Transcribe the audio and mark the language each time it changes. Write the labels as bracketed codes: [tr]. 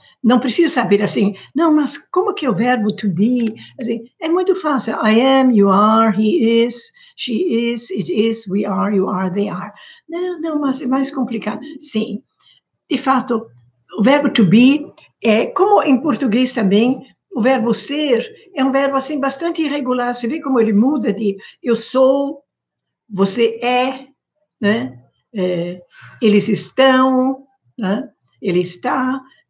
[pt] Não precisa saber assim, não, mas como que é o verbo to be? Assim, é muito fácil. [en] I am, you are, he is, she is, it is, we are, you are, they are. [pt] Não, mas é mais complicado. Sim, de fato, o verbo to be é, como em português também, o verbo ser é um verbo assim bastante irregular. Você vê como ele muda de eu sou, você é, né? É, eles estão, né? Ele está.